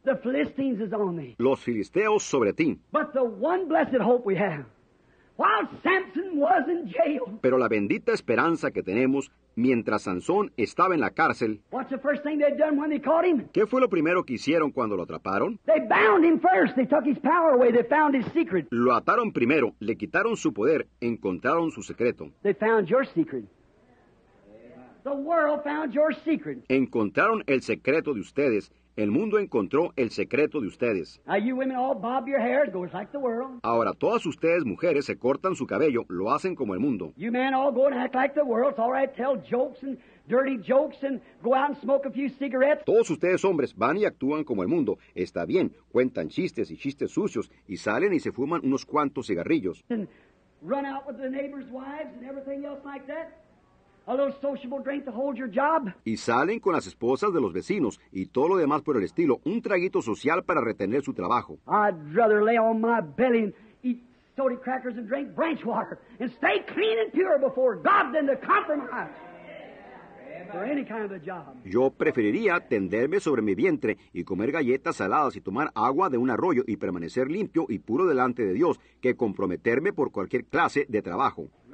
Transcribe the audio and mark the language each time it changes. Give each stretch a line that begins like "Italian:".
English: The Philistines is on me.
Spanish: Los filisteos sobre ti.
English: But the one blessed hope we have, while Samson was in jail.
Spanish: Pero la bendita esperanza que tenemos mientras Sansón estaba en la cárcel.
English: What's the first thing they'd done when they caught him?
Spanish: ¿Qué fue lo primero que hicieron cuando lo atraparon?
English: They bound him first. They took his power away. They found his secret.
Spanish: Lo ataron primero, le quitaron su poder, encontraron su secreto.
English: They found your secret. The world found your secret.
Spanish: Encontraron el secreto de ustedes. El mundo encontró el secreto de ustedes.
English: Now you women all bob your hair, go just like the world.
Spanish: Ahora todas ustedes mujeres se cortan su cabello, lo hacen como el mundo.
English: You men all go and act like the world. It's all right. Tell jokes and dirty jokes and go out and smoke a few cigarettes.
Spanish: Todos ustedes hombres van y actúan como el mundo. Está bien. Cuentan chistes y chistes sucios y salen y se fuman unos cuantos cigarrillos.
English: And run out with the neighbor's wives and everything else like that. A little sociable drink to hold your job.
Spanish: Y salen con las esposas de los vecinos y todo lo demás por el estilo, un traguito social para retener su trabajo.
English: I'd rather lay on my belly and eat soda crackers and drink branch water and stay clean and pure before God than to compromise for any kind of a job.
Spanish: Yo preferiría tenderme sobre mi vientre y comer galletas saladas y tomar agua de un arroyo y permanecer limpio y puro delante de Dios que comprometerme por cualquier clase de trabajo.